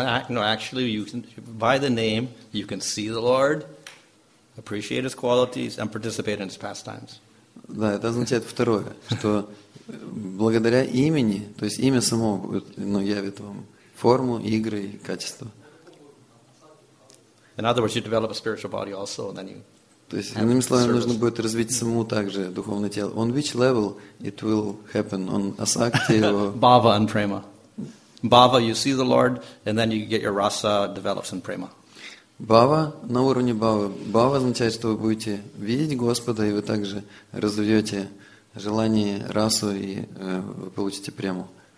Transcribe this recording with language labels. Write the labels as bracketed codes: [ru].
[en] No, actually, you can, by the name, you can see the Lord, appreciate his qualities and participate in his pastimes. [ru] Да, это означает второе, что благодаря имени, то есть имя само явит вам форму, игры и качество. [en] In other words, you develop a spiritual body also, and then you. [ru] То есть иными словами, нужно будет развить саму также духовное тело. [en] On which level it will happen? On asakti or bhava and prema. Bhava, you see the Lord, and then you get your rasa develops in prema. [ru] Бава, на уровне бавы. Бава означает, что вы будете видеть Господа, и вы также разовьете желание, расу, и вы получите прему.